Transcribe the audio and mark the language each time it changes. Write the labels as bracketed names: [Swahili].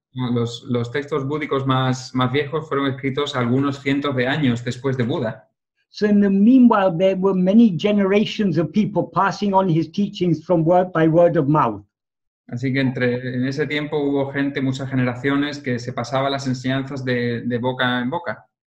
[Spanish] Los textos búdicos más viejos fueron escritos algunos cientos de años después de Buda. [English] So in the meanwhile, there were many generations of people passing on his teachings from word by word of mouth. [Spanish] Así que en ese tiempo hubo gente, muchas generaciones, que se pasaba las enseñanzas de boca en boca.